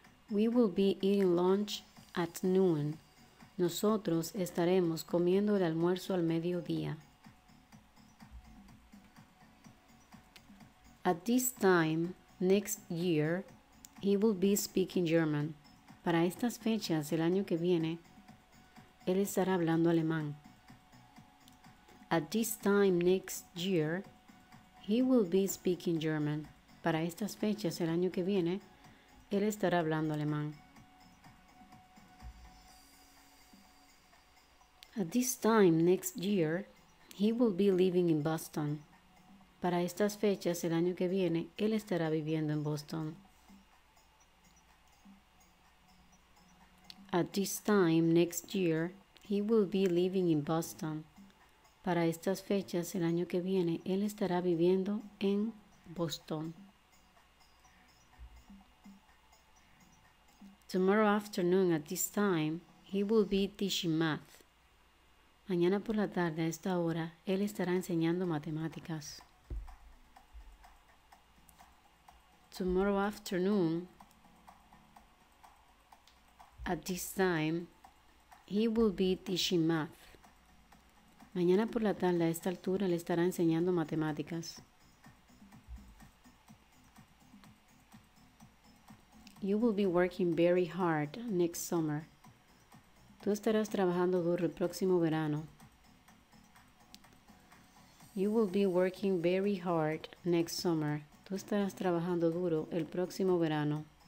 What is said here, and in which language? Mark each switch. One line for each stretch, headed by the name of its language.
English: We will be eating lunch at noon.
Spanish: Nosotros estaremos comiendo el almuerzo al mediodía.
English: At this time next year, he will be speaking German.
Spanish: Para estas fechas, el año que viene, él estará hablando alemán.
English: At this time next year, he will be speaking German.
Spanish: Para estas fechas, el año que viene, él estará hablando alemán.
English: At this time next year, he will be living in Boston.
Spanish: Para estas fechas, el año que viene, él estará viviendo en Boston.
English: At this time next year, he will be living in Boston.
Spanish: Para estas fechas, el año que viene, él estará viviendo en Boston.
English: Tomorrow afternoon at this time, he will be teaching math.
Spanish: Mañana por la tarde a esta hora, él estará enseñando matemáticas.
English: Tomorrow afternoon at this time, he will be teaching math.
Spanish: Mañana por la tarde a esta altura le estará enseñando matemáticas.
English: You will be working very hard next summer.
Spanish: Tú estarás trabajando duro el próximo verano.
English: You will be working very hard next summer.
Spanish: Tú estarás trabajando duro el próximo verano.